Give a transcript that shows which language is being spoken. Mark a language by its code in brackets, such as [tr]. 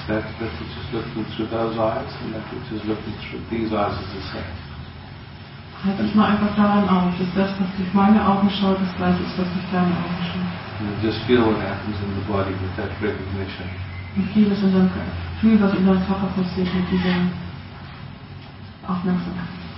[en] That which is looking through those eyes and that which is looking through these eyes is the same. [de] Halt dich mal einfach daran auf, dass das, was durch meine Augen schaut, das gleiche ist, was durch deine Augen schaut. [en] Just feel what happens in the body with that recognition. [de] Fühl es in deinem Körper. Fühl, was in deinem Körper passiert mit dieser. Aufmerksamkeit.